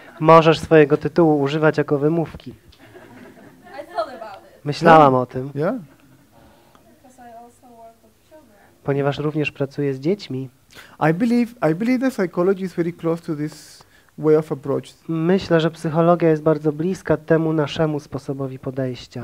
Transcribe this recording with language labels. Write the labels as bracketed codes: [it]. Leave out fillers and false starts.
[pl] Możesz swojego tytułu używać jako wymówki. Myślałam o tym. [en] Yeah. [pl] Ponieważ również pracuję z dziećmi. [en] I believe that psychology is very close to this way of approach. [pl] Myślę, że psychologia jest bardzo bliska temu naszemu sposobowi podejścia.